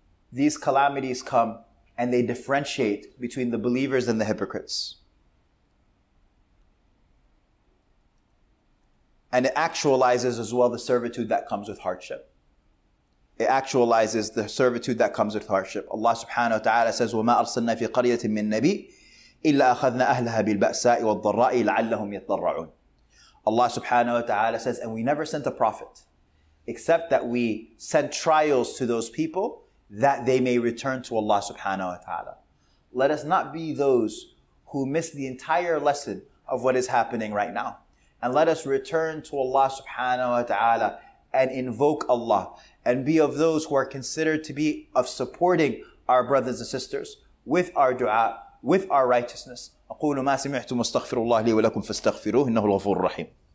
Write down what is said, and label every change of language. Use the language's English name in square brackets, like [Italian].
[English] These calamities come and they differentiate between the believers and the hypocrites. And it actualizes as well the servitude that comes with hardship. It actualizes the servitude that comes with hardship. Allah subhanahu wa ta'ala says, [Arabic] وَمَا أَرْسَلْنَا فِي قَرْيَةٍ مِّن نَبِيٍّ إِلَّا أَخَذْنَا أَهْلَهَا بِالْبَأْسَاءِ وَالضَّرَّاءِ لَعَلَّهُمْ يَتَّضَرَّعُونَ. [English] Allah subhanahu wa ta'ala says, and we never sent a prophet, except that we sent trials to those people that they may return to Allah subhanahu wa ta'ala. Let us not be those who miss the entire lesson of what is happening right now. And let us return to Allah subhanahu wa ta'ala and invoke Allah and be of those who are considered to be of supporting our brothers and sisters with our dua, with our righteousness. [Arabic] أقول ما سمعتم استغفر الله لي ولكم فاستغفروه إنه الغفور الرحيم.